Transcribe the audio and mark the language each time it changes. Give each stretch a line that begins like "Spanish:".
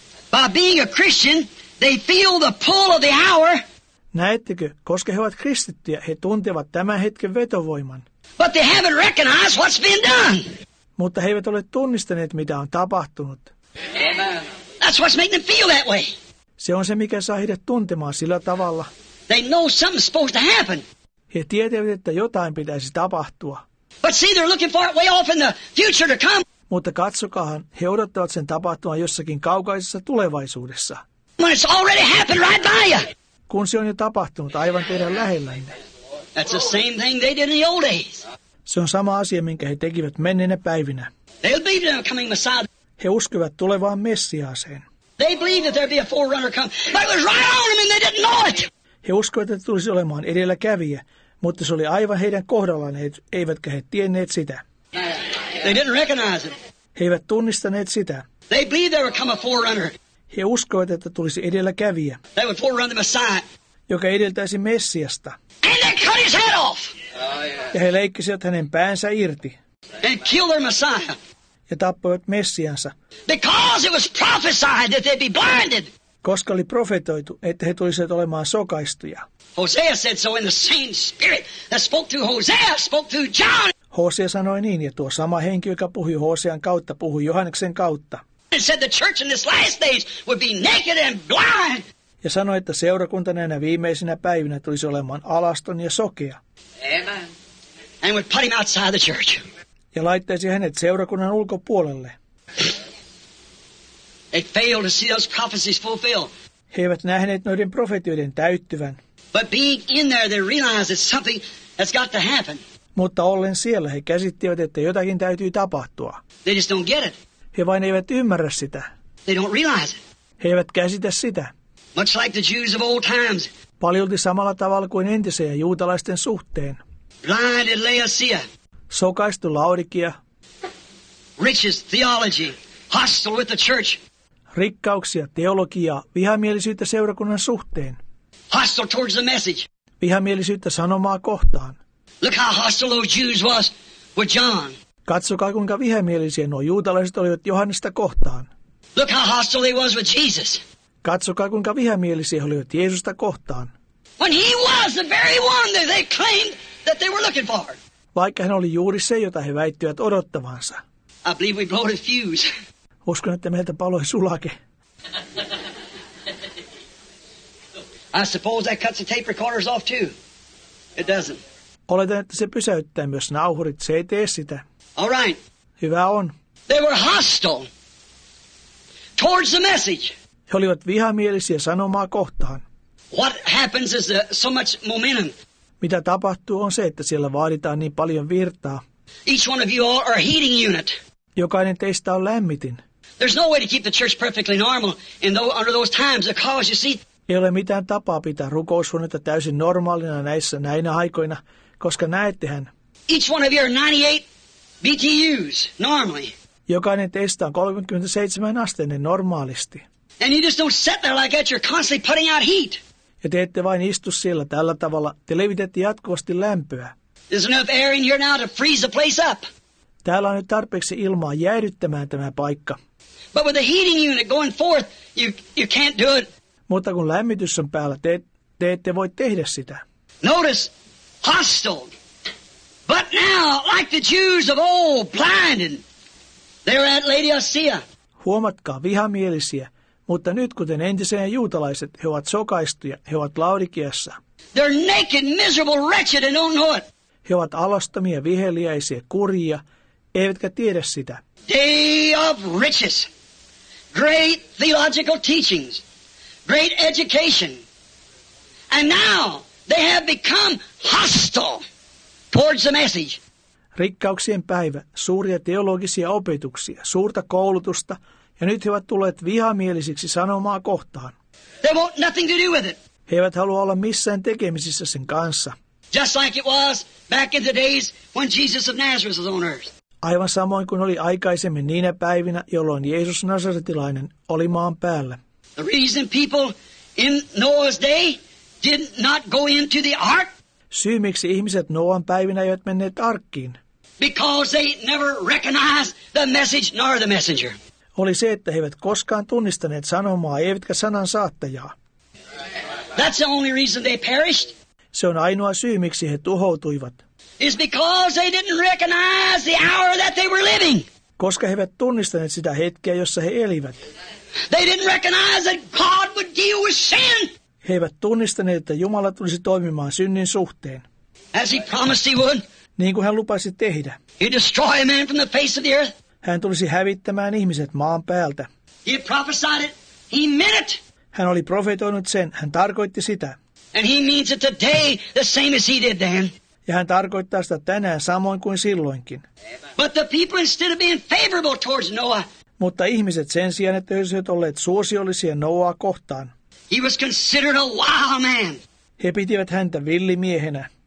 English: By being a Christian, they feel the pull of the hour.
Finnish: Näettekö, koska he ovat kristittyjä, he tuntevat tämän hetken vetovoiman.
English: But they haven't recognized what's been done.
Finnish: Mutta he eivät ole tunnistaneet, mitä on tapahtunut.
English: Amen. That's what's making them feel that way.
Finnish: Se on se, mikä saa heidät tuntemaan sillä tavalla.
English: They know something's supposed to happen.
Finnish: He tietävät, että jotain pitäisi tapahtua.
English: But see, they're looking for it way off in the future to come.
Finnish: Mutta katsokahan, he odottavat sen tapahtumaan jossakin kaukaisessa tulevaisuudessa.
English: When it's already happened right by you.
Finnish: Kun se on jo tapahtunut aivan teidän lähellänne.
English: That's the same thing they did in the old days.
Finnish: Se on sama asia, minkä he tekivät menneinä päivinä.
English: They'll believe they're coming Messiah.
Finnish: He uskivat tulevaan Messiaaseen.
English: They believe that there'd be a forerunner come. But it was right on them and they didn't know it.
Finnish: He uskivat, että tulisi olemaan edelläkävijä, mutta se oli aivan heidän kohdallaan, eivätkä he tienneet sitä.
English: They didn't recognize it.
Finnish: He eivät tunnistaneet sitä.
English: They believe there would come a forerunner.
Finnish: He uskoivat, että tulisi edelläkävijä.
English: They would forerun the Messiah.
Finnish: Joka edeltäisi Messiasta.
English: And they cut his head off.
Finnish: Ja he leikkisivät hänen päänsä irti.
English: And kill their Messiah.
Finnish: ja tappoivat Messiansa.
English: Because it was prophesied that they'd be blinded.
Finnish: Koska oli profetoitu, että he tulisivat olemaan sokaistuja.
English: Hosea said so in the same spirit that spoke to Hosea spoke to John.
Finnish: Hosea sanoi niin, ja tuo sama henki, joka puhui Hosean kautta, puhui Johanneksen kautta.
English: And said the church in this last days would be naked and blind.
Finnish: Ja sanoi, että seurakunta näinä viimeisinä päivinä tulisi olemaan alaston ja sokea.
English: Amen. And would put him outside the church.
Finnish: Ja laittaisi hänet seurakunnan ulkopuolelle.
English: They failed to see those prophecies fulfilled.
Finnish: He eivät nähneet noiden profetioiden täyttyvän.
English: But being in there, they realized that something has got to happen.
Finnish: Mutta ollen siellä, he käsittivät, että jotakin täytyy tapahtua.
English: They just don't get it.
Finnish: He vain eivät ymmärrä sitä.
English: They don't realize it.
Finnish: He eivät käsitä sitä.
English: Much like the Jews of old times.
Finnish: Paljolti samalla tavalla kuin entisen ja juutalaisten suhteen.
English: Blinded Laodicea.
Finnish: Sokaistu Laodikia.
English: Riches theology, hostile with the church.
Finnish: Rikkauksia, teologiaa, vihamielisyyttä seurakunnan suhteen.
English: Hostile towards the message.
Finnish: Vihamielisyyttä sanomaa kohtaan.
English: Look how hostile those Jews was with John.
Finnish: Katsokaa kuinka vihamielisiä nuo juutalaiset olivat Johannesta kohtaan.
English: Look how hostile he was with Jesus.
Finnish: Katsokaa kuinka vihamielisiä olivat Jeesusta kohtaan.
English: When he was the very one that they claimed that they were looking for.
Finnish: Vaikka hän oli juuri se, jota he väittivät odottavansa.
English: I believe we blow the fuse.
Finnish: Uskon, että meiltä paloi sulake.
English: I suppose that cuts the tape recorders off too. It doesn't.
Finnish: Oletan, että se pysäyttää myös nauhurit. Se ei tee sitä.
English: All right.
Finnish: Hyvä on.
English: They were hostile towards the message.
Finnish: He olivat vihamielisiä sanomaa kohtaan.
English: What happens is so much momentum.
Finnish: Mitä tapahtuu on se, että siellä vaaditaan niin paljon virtaa.
English: Each one of you all are a heating unit.
Finnish: Jokainen teistä on lämmitin.
English: There's no way to keep the church perfectly normal in those, under those times because you see.
Finnish: Ei ole mitään tapaa pitää rukoushuonetta täysin normaalina näissä näinä aikoina, koska näettehän.
English: Each one of you are 98 BTUs normally.
Finnish: Jokainen teistä on 37 asteinen normaalisti.
English: And you just don't sit there like that, you're constantly putting out heat.
Finnish: Ja te ette vain istu siellä tällä tavalla, te levitette jatkuvasti lämpöä.
English: There's enough air in here now to freeze the place up.
Finnish: Täällä on nyt tarpeeksi ilmaa jäädyttämään tämä paikka.
English: But with the heating unit going forth, you can't do it.
Finnish: Mutta kun lämmitys on päällä, te ette voi tehdä sitä.
English: Notice, hostile. But now, like the Jews of old, blinded, they're at Laodicea.
Finnish: Huomatkaa, vihamielisiä. Mutta nyt, kuten entiseen juutalaiset, he ovat sokaistuja, he ovat Laodikeassa.
English: They're naked, miserable, wretched, and don't know it.
Finnish: He ovat alastomia, viheliäisiä, kurjia, eivätkä tiedä sitä.
English: Day of riches. Great theological teachings. Great education. And now, they have become hostile towards the message.
Finnish: Rikkauksien päivä, suuria teologisia opetuksia, suurta koulutusta, ja nyt he ovat tulleet vihamielisiksi sanomaa kohtaan.
English: They want nothing to do with it.
Finnish: He eivät halua olla missään tekemisissä sen kanssa.
English: Just like it was back in the days when Jesus of Nazareth was on earth.
Finnish: Aivan samoin kuin oli aikaisemmin niinä päivinä, jolloin Jeesus Nasaretilainen oli maan päällä.
English: The reason people in Noah's day did not go into the ark.
Finnish: Syy miksi ihmiset Noan päivinä eivät menneet arkkiin.
English: Because they never recognized the message nor the messenger.
Finnish: Oli se, että he eivät koskaan tunnistaneet sanomaa, eivätkä sanan saattajaa.
English: That's the only reason they perished.
Finnish: Se on ainoa syy, miksi he tuhoutuivat.
English: It's because they didn't recognize the hour that they were living.
Finnish: Koska he eivät tunnistaneet sitä hetkeä, jossa he elivät.
English: They didn't recognize that God would deal with sin.
Finnish: He eivät tunnistaneet, että Jumala tulisi toimimaan synnin suhteen.
English: As he promised he would.
Finnish: Niin kuin hän lupasi tehdä.
English: He'd destroy a man from the face of the earth.
Finnish: Hän tulisi hävittämään ihmiset maan päältä.
English: He prophesied it. He meant it.
Finnish: Hän oli profetoinut sen. Hän tarkoitti sitä.
English: And he means it today the same as he did then.
Finnish: Ja hän tarkoittaa sitä tänään samoin kuin silloinkin.
English: But the people instead of being favorable towards Noah.
Finnish: Mutta ihmiset sen sijaan, että he olisivat olleet suosiollisia Noaa kohtaan.
English: He was considered a wild man.
Finnish: He pitivät häntä villimiehenä.